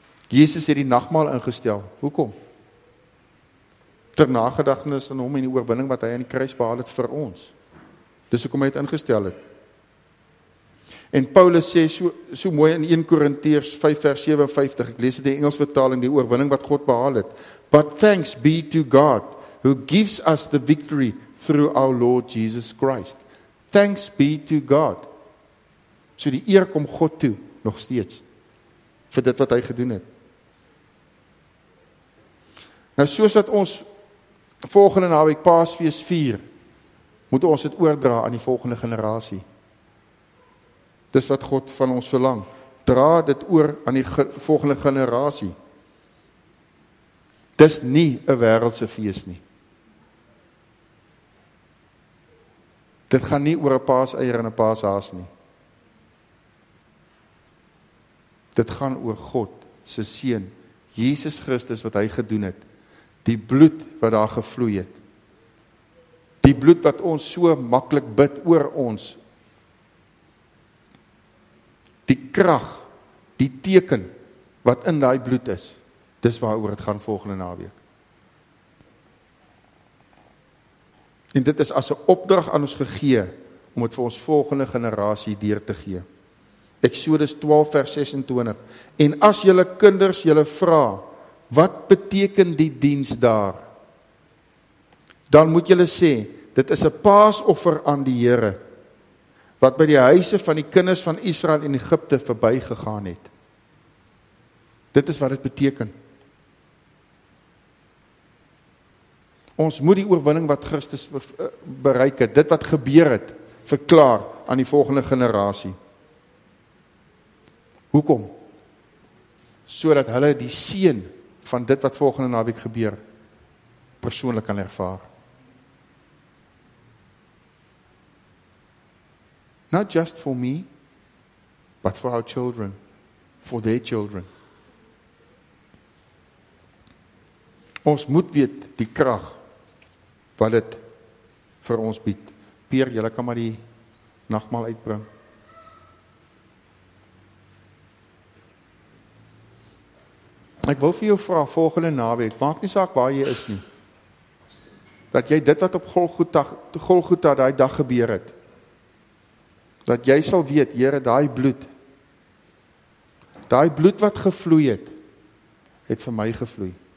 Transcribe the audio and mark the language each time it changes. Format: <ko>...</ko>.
<af>Jesus het die nagmaal ingestel. Hoekom? Ter nagedagtenis aan hom en die oorwinning wat hy aan die kruis behaal het vir ons. Dis hoekom hy dit ingestel het. En Paulus sê so mooi in 1 Korintiërs 5 vers 57. Ek lees dit in Engels vertaling, die oorwinning wat God behaal het.</af> <en>But thanks be to God who gives us the victory through our Lord Jesus Christ. Thanks be to God.</en> <af>So die eer kom God toe nog steeds vir dit wat hy gedoen het. Nou soos dat ons volgende naweek Paasfees vier, moet ons dit oordra aan die volgende generasie. Dis wat God van ons verlang. Dra dit oor aan die volgende generasie. Dis nie 'n wêreldse fees nie. Dit gaan nie oor 'n paaseier en 'n paashaas nie. Dit gaan oor God se seun, Jesus Christus, wat hy gedoen het. Die bloed wat daar gevloei het. Die bloed wat ons so maklik bid oor ons die krag, die teken wat in daai bloed is. Dis waaroor dit gaan volgende naweek. En dit is as 'n opdrag aan ons gegee om dit vir ons volgende generasie deur te gee. Eksodus 12 vers 26. En as julle kinders julle vra, wat beteken die diens daar? Dan moet julle sê, dit is 'n paasoffer aan die Here wat by die huise van die kinders van Israel in Egipte verbygegaan het. Dit is wat dit beteken. Ons moet die oorwinning wat Christus bereik het, dit wat gebeur het, verklaar aan die volgende generasie. Hoekom? Sodat hulle die seën van dit wat volgende naweek gebeur, persoonlik kan ervaar.</af> <en>Not just for me, but for our children, for their children.</en> <af>Ons moet weet die krag wat dit vir ons bied. Peer, jylle kan maar die nagmaal uitbring. Ek wil vir jou vraag, volgende naweek, maak nie saak waar jy is nie, dat jy dit wat op Golgotha daai dag gebeur het, dat jy sal weet, Here, daai bloed wat gevloei het, het vir my gevloei.</af>